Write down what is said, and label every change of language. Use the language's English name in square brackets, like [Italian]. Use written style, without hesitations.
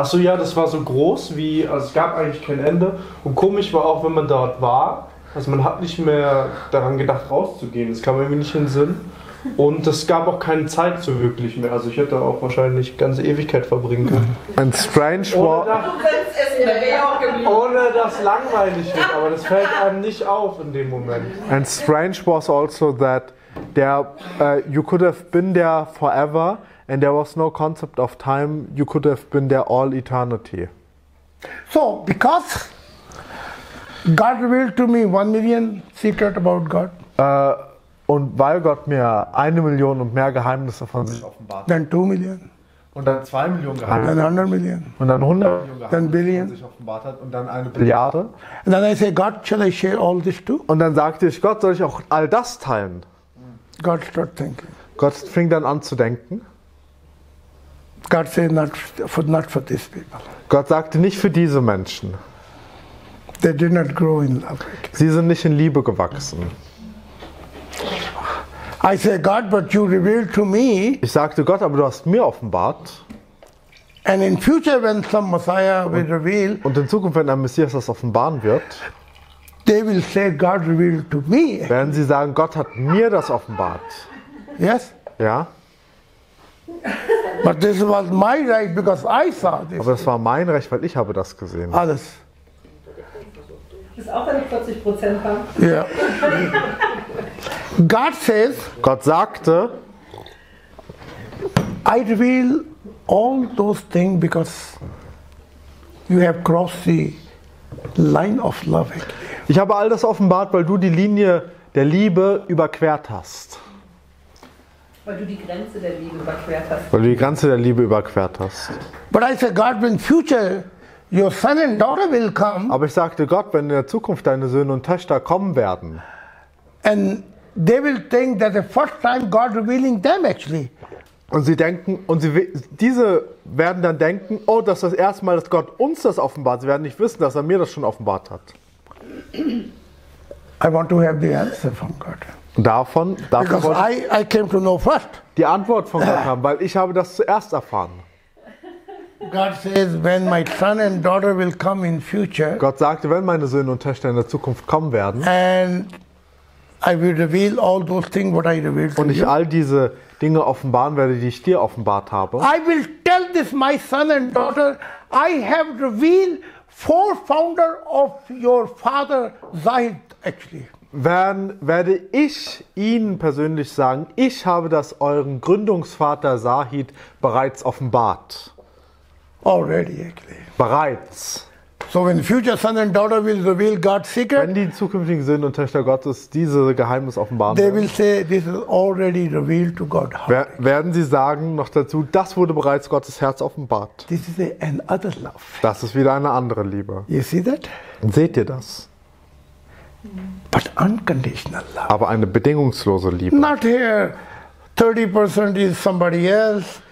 [German] Achso, ja, das war so groß wie, also es gab eigentlich kein Ende. Und komisch war auch, wenn man dort war, also man hat nicht mehr daran gedacht rauszugehen. Das kam irgendwie nicht in den Sinn. Und es gab auch keine Zeit so wirklich mehr. Also ich hätte auch wahrscheinlich ganze Ewigkeit verbringen können. Ein strange ohne dass langweilig wird, aber das fällt einem nicht auf in dem Moment. [English] And strange was also that there you could have been there forever and there was no concept of time. You could have been there all eternity. So because God revealed to me 1 million secret about God. [German] Und weil Gott mir 1 Million und mehr Geheimnisse von sich offenbart. Dann 2 Millionen. Und dann 2 Millionen Geheimnisse. Dann 100 Millionen. Und dann 100 Millionen Geheimnisse von sich offenbart hat. Und dann 1 Billiarde. [English] And then I say, God, shall I share all this too? [German] Und dann sagte ich, Gott, soll ich auch all das teilen? [English] God start thinking. [German] Gott fing dann an zu denken. [English] God say not for these people. [German] Gott sagte, nicht für diese Menschen. [English] They did not grow in love. [German] Sie sind nicht in Liebe gewachsen. [English] I say, God, but you revealed to me. [German] Ich sagte, Gott, aber du hast mir offenbart. [English] And in future, when some Messiah will reveal. [German] Und in Zukunft, wenn ein Messias das offenbaren wird, [English] they will say, God revealed to me. [German] Werden sie sagen, Gott hat mir das offenbart. [English] Yes. [German] Ja. [English] But this was my right because I saw this. [German] Aber das war mein Recht, weil ich habe das gesehen. Alles. Ist auch eine 40%-Bank. Ja. [English] God says, [German] Gott sagte, [English] I reveal all those things because you have crossed the line of love. [German] Ich habe all das offenbart, weil du die Linie der Liebe überquert hast. Weil du die Grenze der Liebe überquert hast. Weil du die Grenze der Liebe überquert hast. [English] But I say, God, when future your son and daughter will come. [German] Aber ich sagte Gott, wenn in der Zukunft deine Söhne und Töchter kommen werden. [English] And they will think that the first time God revealing them actually. [German] Und sie denken und sie diese werden dann denken, oh, das ist das erste Mal, dass Gott uns das offenbart. Sie werden nicht wissen, dass er mir das schon offenbart hat. [English] I want to have the answer from God. Because I came to know first. [German] Die Antwort von Gott haben, weil ich habe das zuerst erfahren. [English] God says, when my son and daughter will come in future. [German] Gott sagte, wenn meine Söhne und Töchter in der Zukunft kommen werden. [English] And I will reveal all those things what I revealed to you. [German] Und ich all diese Dinge offenbaren werde, die ich dir offenbart habe. [English] I will tell this my son and daughter. I have revealed 4 founder of your father Zahid actually. [German] Werde ich Ihnen persönlich sagen, ich habe das euren Gründungsvater Zahid bereits offenbart. [English] Already, actually. [German] Bereits. [English] So when future son and daughter will reveal God's secret. [German] Wenn die zukünftigen Söhne und Töchter Gottes diese Geheimnis offenbaren. [English] They will say this is already revealed to God. [German] Werden sie sagen noch dazu, das wurde bereits Gottes Herz offenbart. [English] This is another love. [German] Das ist wieder eine andere Liebe. [English] You see that? [German] Seht ihr das? [English] But unconditional love. [German] Aber eine bedingungslose Liebe. [English] Not here. 30% is somebody else.